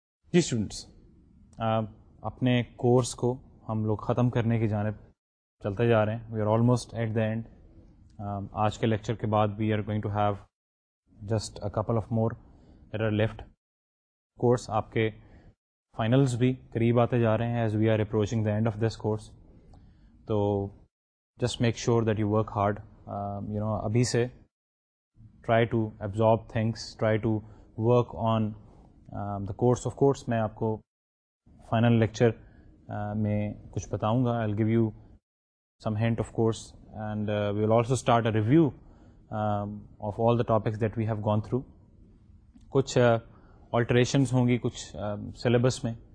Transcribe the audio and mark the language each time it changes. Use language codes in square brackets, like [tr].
[en] Dear students, [ur] اپنے course کو ہم لوگ ختم کرنے کی جانب چلتے جا رہے ہیں. [en] We are almost at the end. [ur] آج کے لیکچر کے بعد [en] we are going to have just a couple of more that are left. [ur] Course آپ کے فائنلز بھی قریب آتے جا رہے ہیں [en] as we are approaching the end of this course. تو just make sure that you work hard. [ur] ابھی سے [en] try to absorb things, try to work on the course. Of course, [ur] میں آپ کو فائنل لیکچر میں کچھ بتاؤں گا. [en] I'll give you some hint, of course, and we will also start a review of all the topics that we have gone through. [ur] کچھ alterations ہوں گی کچھ syllabus میں.